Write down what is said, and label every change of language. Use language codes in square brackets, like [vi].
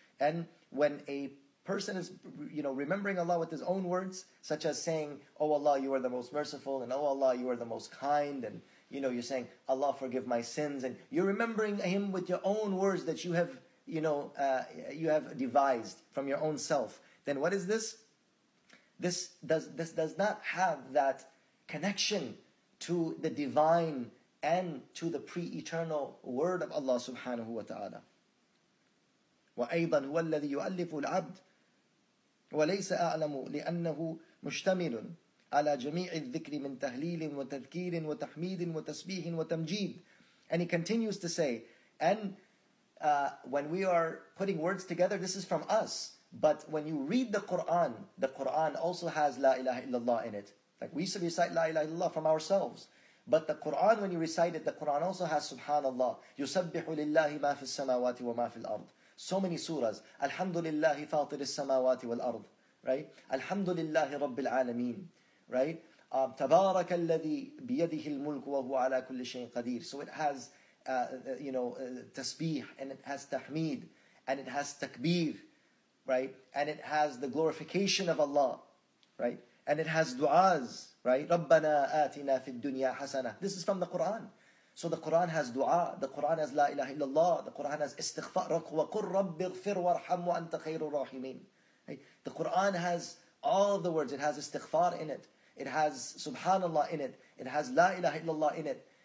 [en] And when a person is, you know, remembering Allah with his own words, such as saying, oh Allah, you are the most merciful, and oh Allah, you are the most kind, and you know, you're saying, Allah, forgive my sins, and you're remembering him with your own words that you have, you have devised from your own self. Then what is this? This does not have that connection to the divine and to the pre-eternal word of Allah subhanahu wa ta'ala. [ar] وَأَيْضًا هُوَ الَّذِي يُؤَلِّفُ الْعَبْدُ وَلَيْسَ أَعْلَمُ لِأَنَّهُ مُشْتَمِلٌ على جميع الذكر من تهليل وتذكير وتحميد وتسبيح وتمجيد. [en] And he continues to say, and when we are putting words together, this is from us. But when you read the Quran also has La ilaha illallah in it. Like we should recite La ilaha illallah from ourselves. But the Quran, when you recite it, the Quran also has Subhanallah. [ar] يُسَبِّحُ لِلَّهِ مَا فِي السَّمَاوَاتِ وَمَا فِي الْأَرْضِ. [en] So many surahs. [ar] Alhamdulillahi فاطر السماوات والأرض. [en] Right? [ar] Alhamdulillahi Rabbil Alameen. Right? تبارك الذي بيده الملك وهو على كل شيء قدير. [en] So it has, tasbih, and it has tahmid, and it has takbir, right? And it has the glorification of Allah, right? And it has du'as, right? [ar] ربنا آتنا في الدنيا حسنة. [en] This is from the Quran. So the Quran has du'a, the Quran has la ilaha illallah, the Quran has [ar] استغفار وقل رب اغفر وارحم وأنت خير الراحمين. [en] The Quran has all the words. It has istighfar in it. It has subhanallah in it. It has la ilaha illallah in it.